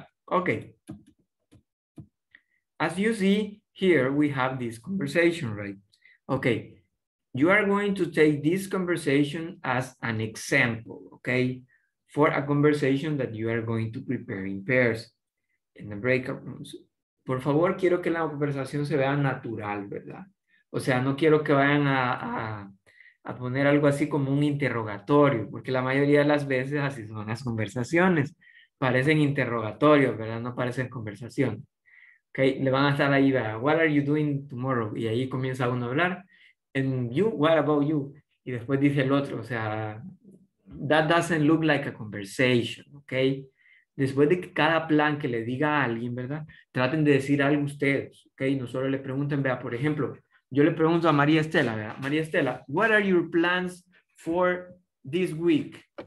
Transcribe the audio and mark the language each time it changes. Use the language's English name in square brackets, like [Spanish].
[English] Okay, as you see here, we have this conversation, right? Okay, you are going to take this conversation as an example, okay, for a conversation that you are going to prepare in pairs, in the breakout rooms. [Spanish] Por favor, quiero que la conversación se vea natural, ¿verdad? O sea, no quiero que vayan a poner algo así como un interrogatorio, porque la mayoría de las veces así son las conversaciones. Parecen interrogatorios, ¿verdad? No parecen conversación. Okay, le van a estar ahí, ¿verdad? [English] What are you doing tomorrow? [Spanish] Y ahí comienza uno a hablar. [English] And you, what about you? [Spanish] Y después dice el otro, o sea, [English] that doesn't look like a conversation, [Spanish] okay? Después de que cada plan que le diga a alguien, ¿verdad? Traten de decir algo ustedes, okay? No solo le pregunten, vea, por ejemplo, yo le pregunto a María Estela, ¿verdad? [English] María Estela, what are your plans for this week?